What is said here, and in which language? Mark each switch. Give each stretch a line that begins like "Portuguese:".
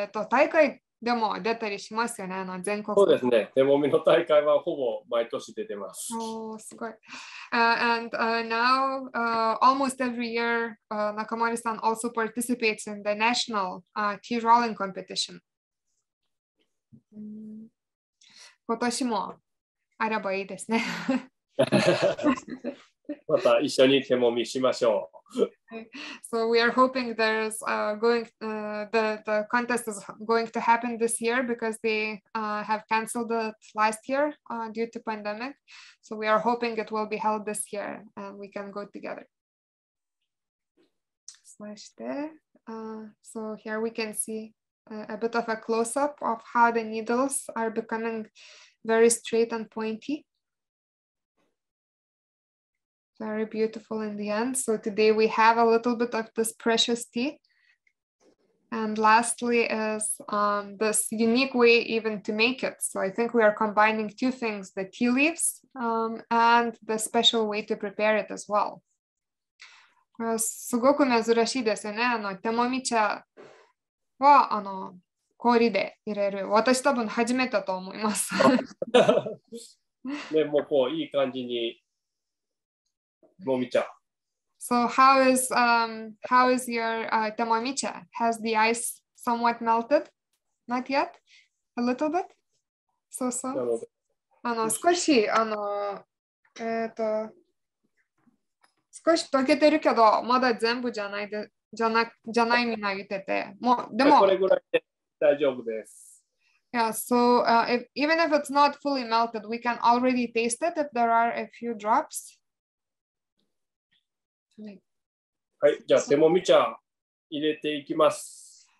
Japanese: 大会でも出たりしますよね、全国。そうですね、手もみの大会はほぼ毎年出てます。おお、すごい。
English: And now, almost every year, Nakamori-san also participates in the national tea drawing competition.
Japanese: 今年もあればいいですね。また一緒に手もみしましょう。
English: So we are hoping there's the contest is going to happen this year because they have canceled it last year due to pandemic. So we are hoping it will be held this year and we can go together.
Japanese: そして、
English: so here we can see. A bit of a close-up of how the needles are becoming very straight and pointy. Very beautiful in the end. So today we have a little bit of this precious tea. And lastly is this unique way even to make it. So I think we are combining two things, the tea leaves and the special way to prepare it as well.
Japanese: すごく珍しいですよね。手もみ茶。はあの氷で入れる。私多分初めてと思います。ね、もうこういい感じに。もみちゃん。
English: So how is your tamamicha? Has the ice somewhat melted? Not yet? A little bit? So so?
Japanese: あの少しあの少し溶けてるけど、まだ全部じゃないで、じゃないみんな言ってて。もうでも。これぐらいで大丈夫です。
English: Yeah, so if, even if it's not fully melted, we can already taste it if there are a few drops.
Japanese: はい、じゃあ、テモミ茶入れていきます。